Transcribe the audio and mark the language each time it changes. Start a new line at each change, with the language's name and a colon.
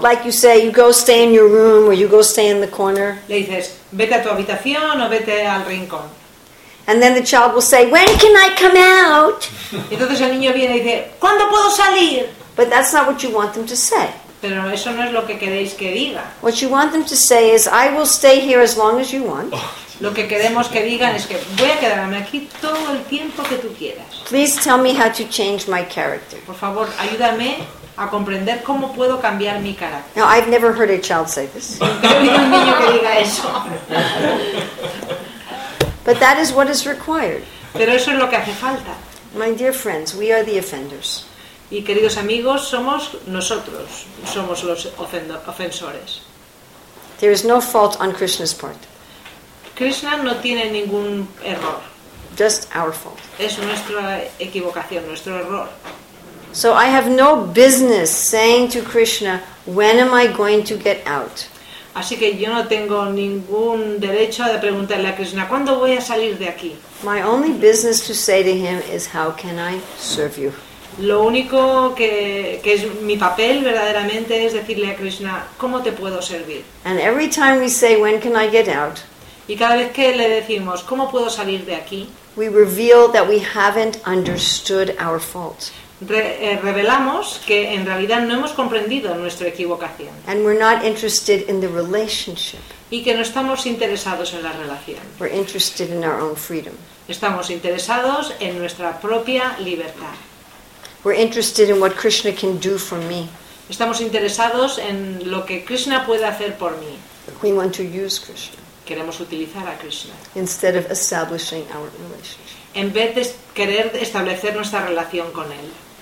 English: Like you say, you go stay in your room or you go stay in the corner.
Spanish: Le dices, vete a tu habitación o vete al rincón.
English: And then the child will say, when can I come out?
Spanish: Y entonces el niño viene y dice, ¿cuándo puedo salir?
English: But that's not what you want them to say.
Spanish: Pero eso no es lo que queréis que diga.
English: What you want them to say is, I will stay here as long as you want.
Spanish: Lo que queremos que digan es que voy a quedarme aquí todo el tiempo que tú quieras.
English: Please tell me how to change my character.
Spanish: Por favor, ayúdame a comprender cómo puedo cambiar mi carácter.
English: Now, I've never heard a child say this.
Spanish: Nunca he oído un niño que diga eso.
English: But that is what is required.
Spanish: Pero eso es lo que hace falta.
English: My dear friends, we are the offenders.
Spanish: Y queridos amigos, somos nosotros, somos los ofensores.
English: There is no fault on Krishna's part.
Spanish: Krishna no tiene ningún error.
English: Just our fault.
Spanish: Es nuestra equivocación, nuestro error.
English: So I have no business saying to Krishna, when am I going to get out?
Spanish: Así que yo no tengo ningún derecho de preguntarle a Krishna, ¿cuándo voy a salir de aquí?
English: My only business to say to him is, how can I serve you?
Spanish: Lo único que es mi papel verdaderamente es decirle a Krishna, ¿cómo te puedo servir?
English: And every time we say, when can I get out?
Spanish: Y cada vez que le decimos, ¿cómo puedo salir de aquí?
English: We reveal that we haven't understood our fault.
Spanish: Revelamos que en realidad no hemos comprendido nuestra equivocación.
English: And we're not interested in the relationship.
Spanish: Y que no estamos interesados en la relación.
English: We're interested in our own freedom.
Spanish: Estamos interesados en nuestra propia libertad.
English: We're interested in what Krishna can do for me.
Spanish: Estamos interesados en lo que Krishna puede hacer por mí.
English: We want to use Krishna.
Spanish: Queremos utilizar a Krishna.
English: Instead of establishing our relationship.
Spanish: En vez de querer establecer nuestra relación con él.